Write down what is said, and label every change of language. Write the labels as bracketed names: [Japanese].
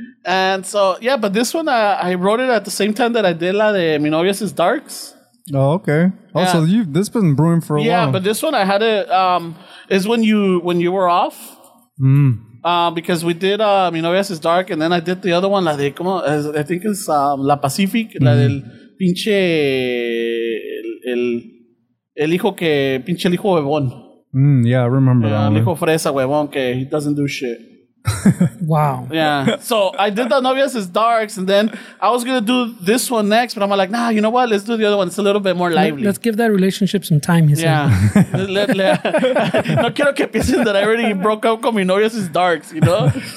[English] And so, yeah, but this one, I wrote it at the same time that I did la de Mi Novia Es Darks. Oh, okay. Oh, yeah. So this been brewing for a while. Yeah, but this one, I had it. Is when you were off. Mm. Because we did Mi Novia Es Dark, and then I did the other one, la de, como, I think it's La Pacific, la del. [Spanish] Pinche el hijo que pinche el hijo huevón. [English] Yeah, I remember that. [Spanish] El hijo fresa huevón que [English] he doesn't do shit. Wow. Yeah. So I did the Novias is Darks, and then I was going to do this one next, but I'm like, nah, you know what? Let's do the other one. It's a little bit more lively. Let's give that relationship some time, he said. Yeah. [Spanish] No quiero que piensen [English] that I already broke up [Spanish] con mi [English] Novias is Darks, you know?